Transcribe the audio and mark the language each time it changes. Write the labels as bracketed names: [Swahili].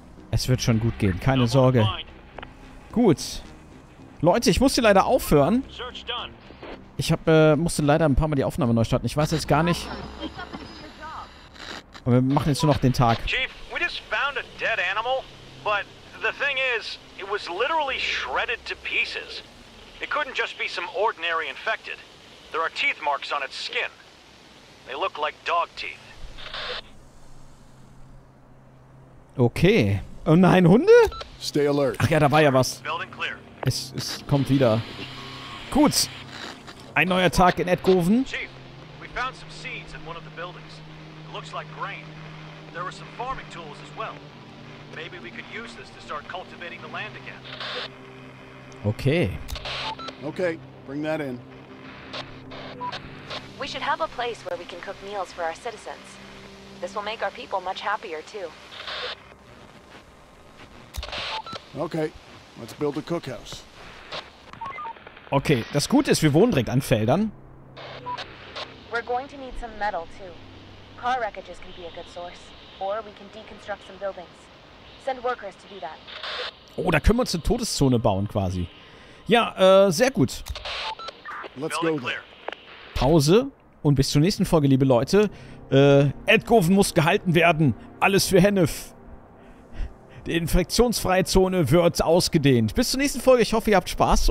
[German] Es wird schon gut gehen, keine Sorge. Gut. Leute, ich musste leider aufhören. Ich hab, musste leider ein paar Mal die Aufnahme neu starten. Ich weiß jetzt gar nicht. Aber wir machen jetzt nur noch den Tag. [English] Chief, we just found a dead animal. But the thing is, it was literally shredded to pieces. It couldn't just be some ordinary infected. There are teeth marks on its skin. They look like dog teeth. [German] Okay. Oh nein, Hunde? [English] Stay alert. [German] Ach ja, da war ja was. Es kommt wieder. Gut. Ein neuer Tag in Edgoven. [English] Chief, we found some seeds in one of the buildings. It looks like grain. There were some farming tools as well. Maybe we could use this to start cultivating the land again. Okay. Okay, bring that in. We should have a place where we can cook meals for our citizens. This will make our people much happier too. Okay, let's build a cookhouse. [German] Okay, das Gute ist, wir wohnen direkt an Feldern. [English] We're going to need some metal too. Car wreckages can be a good source, or we can deconstruct some buildings. Send workers to do that. [German] Oh, da können wir uns eine Todeszone bauen quasi. Ja, sehr gut. [English] Let's go there. [German] Pause und bis zur nächsten Folge, liebe Leute. Edgoven muss gehalten werden. Alles für Hennef. Die infektionsfreie Zone wird ausgedehnt. Bis zur nächsten Folge. Ich hoffe, ihr habt Spaß.